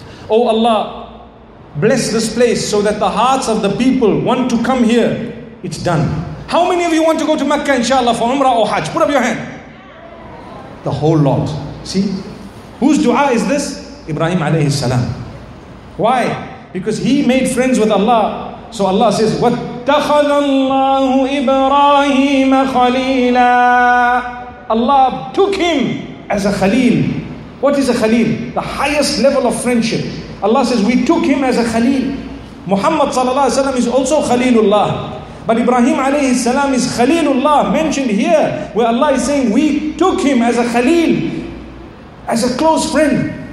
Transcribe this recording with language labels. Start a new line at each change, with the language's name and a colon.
English: Oh Allah, bless this place so that the hearts of the people want to come here. It's done. How many of you want to go to Makkah, inshallah, for Umrah or Hajj? Put up your hand. The whole lot. See? Whose dua is this? Ibrahim alayhi salam. Why? Because he made friends with Allah. So Allah says,
Arabic: وَاتَّخَذَ اللَّهُ إِبْرَاهِيمَ خَلِيلًا.
English: Allah took him as a khalil. What is a khalil? The highest level of friendship. Allah says, we took him as a khalil. Muhammad sallallahu alayhi wa sallam is also khalilullah. But Ibrahim alayhi salam is khalilullah, mentioned here, where Allah is saying, we took him as a khalil, as a close friend.